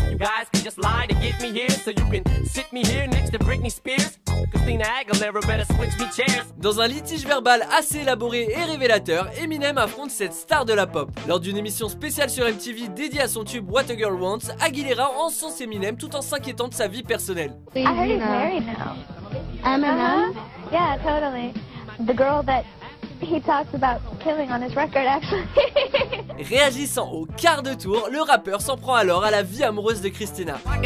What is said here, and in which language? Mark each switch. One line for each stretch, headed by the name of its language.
English: You guys can just lie to get me here so you can sit me here next to Britney Spears? Christina Aguilera better switch me chairs.
French: Dans un litige verbal assez élaboré et révélateur, Eminem affronte cette star de la pop. Lors d'une émission spéciale sur MTV dédiée à son tube What a Girl Wants, Aguilera encense Eminem tout en s'inquiétant de sa vie personnelle.
English: I heard he's married now. Eminem? Uh-huh. Yeah, totally. The girl that he talks about killing on his record, actually.
French: Réagissant au quart de tour, le rappeur s'en prend alors à la vie amoureuse de Christina.